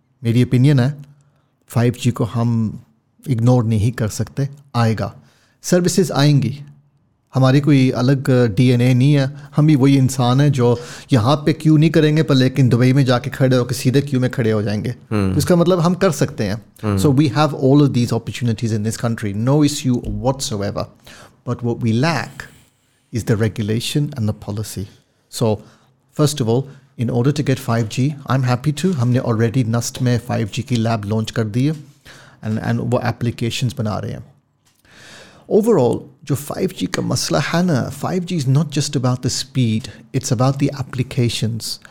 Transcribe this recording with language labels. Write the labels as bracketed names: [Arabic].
[Urdu] میری اوپینین ہے 5G کو ہم اگنور نہیں کر سکتے, آئے گا, سروسز آئیں گی. ہماری کوئی الگ ڈی این اے نہیں ہے, ہم بھی وہی انسان ہیں جو یہاں پہ کیو نہیں کریں گے پر لیکن دبئی میں جا کے کھڑے ہو کے سیدھے کیو میں کھڑے ہو جائیں گے. اس کا مطلب ہم کر سکتے ہیں. [English] So we have all of these opportunities in this country, no issue whatsoever, but what we lack is the regulation and the policy. So first of all, in order to get 5G, I am happy to, [Urdu] ہم نے already نسٹ میں 5G کی lab launch کر دی ہے and وہ applications بنا رہے ہیں. اوور آل جو 5G کا مسئلہ ہے نا, [English] 5G is not just about the speed, it's about the applications.